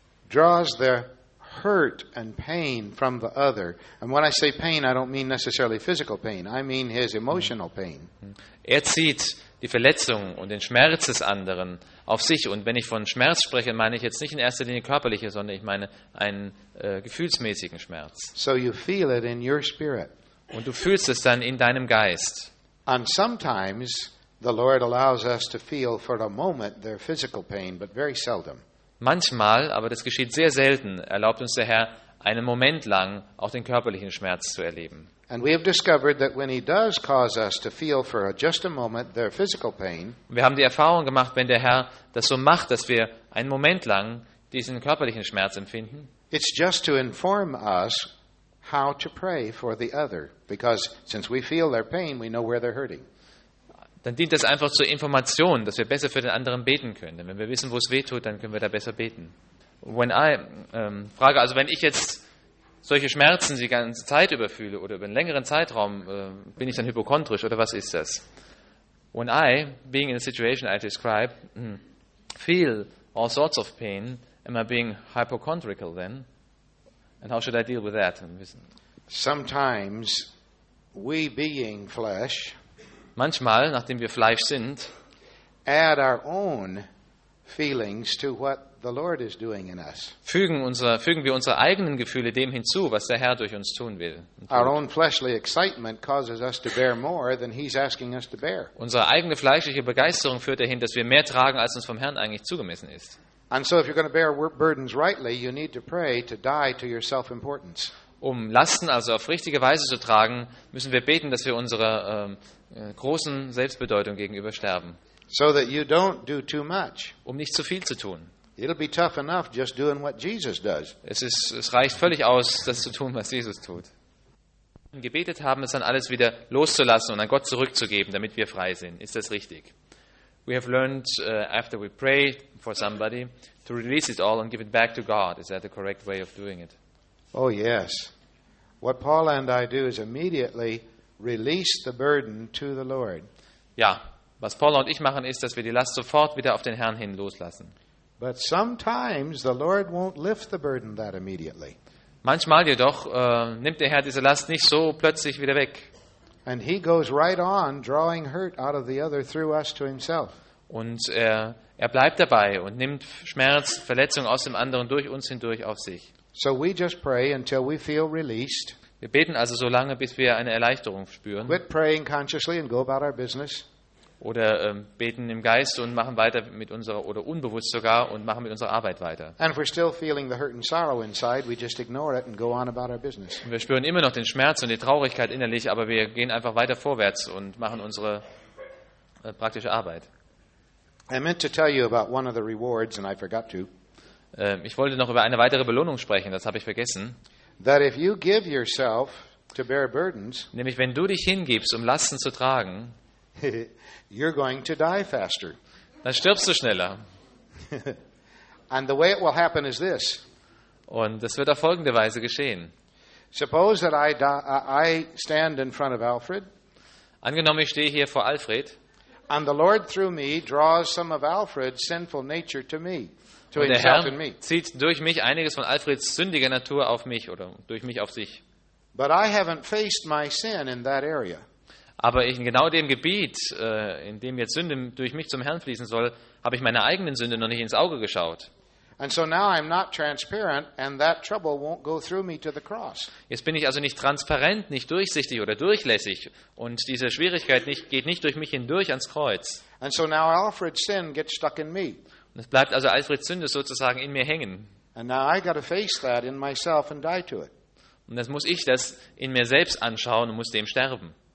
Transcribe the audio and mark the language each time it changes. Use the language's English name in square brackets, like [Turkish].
[English] Draws the hurt and pain from the other. And when I say pain, I don't mean necessarily physical pain. I mean his emotional pain. [German] Er zieht die Verletzung und den Schmerz des anderen auf sich. Und wenn ich von Schmerz spreche, meine ich jetzt nicht in erster Linie körperliche, sondern ich meine einen gefühlsmäßigen Schmerz. [English] So you feel it in your spirit. [German] Und du fühlst es dann in deinem Geist. [English] And sometimes the Lord allows us to feel for a moment their physical pain, but very seldom. [German] Manchmal, aber das geschieht sehr selten, erlaubt uns der Herr, einen Moment lang auch den körperlichen Schmerz zu erleben. [English] And we have discovered that when he does cause us to feel for just a moment their physical pain. [German] Wir haben die Erfahrung gemacht, wenn der Herr das so macht, dass wir einen Moment lang diesen körperlichen Schmerz empfinden. [English] It's just to inform us how to pray for the other, because since we feel their pain, we know where they're hurting. [German] Dann dient das einfach zur Information, dass wir besser für den anderen beten können. Denn wenn wir wissen, wo es weh tut, dann können wir da besser beten. Wenn ich jetzt solche Schmerzen die ganze Zeit überfühle oder über einen längeren Zeitraum, bin ich dann hypochondrisch oder was ist das? [English] When I, being in a situation I describe, feel all sorts of pain, am I being hypochondrical then? And how should I deal with that? Sometimes we being flesh. [German] Manchmal, nachdem wir Fleisch sind, [English] add our own feelings to what the Lord is doing in us. [German] Fügen wir unsere eigenen Gefühle dem hinzu, was der Herr durch uns tun will. [English] Our own fleshly excitement causes us to bear more than he's asking us to bear. [German] Unsere eigene fleischliche Begeisterung führt dahin, dass wir mehr tragen, als uns vom Herrn eigentlich zugemessen ist. [English] And so if you're going to bear burdens rightly, you need to pray to die to your self-importance. [German] Um Lasten also auf richtige Weise zu tragen, müssen wir beten, dass wir unserer großen Selbstbedeutung gegenüber sterben. [English] So that you don't do too much. [German] Um nicht zu viel zu tun. [English] It'll be tough enough just doing what Jesus does. [German] Es reicht völlig aus, das zu tun, was Jesus tut. Wir haben gebetet, haben es dann alles wieder loszulassen und an Gott zurückzugeben, damit wir frei sind. Ist das richtig? [English] We have learned after we pray for somebody to release it all and give it back to God. Is that the correct way of doing it? Oh yes. What Paul and I do is immediately release the burden to the Lord. [German] Ja, was Paul und ich machen ist, dass wir die Last sofort wieder auf den Herrn hin loslassen. [English] But sometimes the Lord won't lift the burden that immediately. [German] Manchmal jedoch nimmt der Herr diese Last nicht so plötzlich wieder weg. [English] And he goes right on drawing hurt out of the other through us to himself. [German] Und er bleibt dabei und nimmt Schmerz, Verletzung aus dem anderen durch uns hindurch auf sich. [English] So we just pray until we feel released. [German] Wir beten also so lange, bis wir eine Erleichterung spüren. [English] Quit praying consciously and go about our business. [German] Oder beten im Geist und machen weiter mit unserer, oder unbewusst sogar, und machen mit unserer Arbeit weiter. [English] And we're still feeling the hurt and sorrow inside, we just ignore it and go on about our business. [German] Und wir spüren immer noch den Schmerz und die Traurigkeit innerlich, aber wir gehen einfach weiter vorwärts und machen unsere praktische Arbeit. [English] I meant to tell you about one of the rewards and I forgot to. [German] Ich wollte noch über eine weitere Belohnung sprechen, das habe ich vergessen. [English] That if you give yourself to bear burdens, [German] nämlich wenn du dich hingibst, um Lasten zu tragen, [English] you're going to die faster. [German] Dann stirbst du schneller. [English] And the way it will happen is this. [German] Und das wird auf folgende Weise geschehen. [English] Suppose that I stand in front of Alfred. [German] Angenommen, ich stehe hier vor Alfred. [English] And the Lord through me draws some of Alfred's sinful nature to me. [German] Und der Herr zieht durch mich einiges von Alfreds sündiger Natur auf mich oder durch mich auf sich. [English] But I haven't faced my sin in that area. [German] Aber in genau dem Gebiet, in dem jetzt Sünde durch mich zum Herrn fließen soll, habe ich meine eigenen Sünde noch nicht ins Auge geschaut. [English] And so now I'm not transparent and that trouble won't go through me to the cross. [German] Jetzt bin ich also nicht transparent, nicht durchsichtig oder durchlässig und diese Schwierigkeit geht nicht durch mich hindurch ans Kreuz. [English] And so now Alfred's sin gets stuck in me. [German] Es bleibt also Alfreds Sünde sozusagen in mir hängen. Und das muss ich das in mir selbst anschauen und muss dem sterben.